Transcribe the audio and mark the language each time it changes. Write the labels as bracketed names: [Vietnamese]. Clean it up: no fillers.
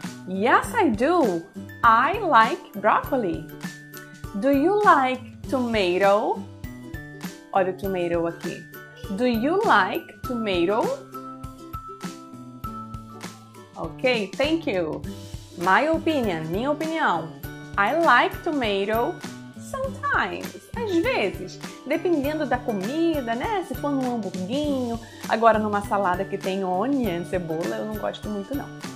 [English] Yes, I do. I like broccoli. Do you like tomato? [Portuguese] Olha o tomato aqui. [English] Do you like tomato? Ok, thank you. My opinion, [Portuguese] minha opinião. [English] I like tomato sometimes. [Portuguese] Às vezes, dependendo da comida, né? Se for num hamburguinho, agora numa salada que tem onion, cebola, eu não gosto muito não.